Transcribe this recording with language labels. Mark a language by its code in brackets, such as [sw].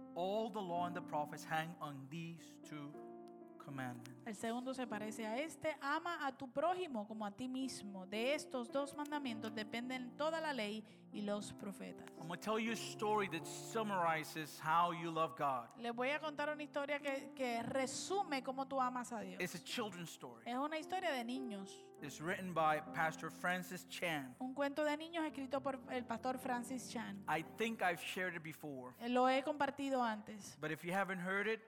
[en] All the law and the prophets hang on these two commandments. [es] El segundo se parece a este. Ama a tu prójimo como a ti mismo. De estos dos mandamientos dependen toda la ley y los profetas. [en] I'm going to tell you a story that summarizes how you love God. [es] Le voy a contar una historia que resume cómo tú amas a Dios. [en] It's a children's story. [es] Es una historia de niños. [en] It's written by Pastor Francis Chan. [es] Un cuento de niños escrito por el pastor Francis Chan. [en] I think I've shared it before. [es] Lo he compartido antes. [en] But if you haven't heard it,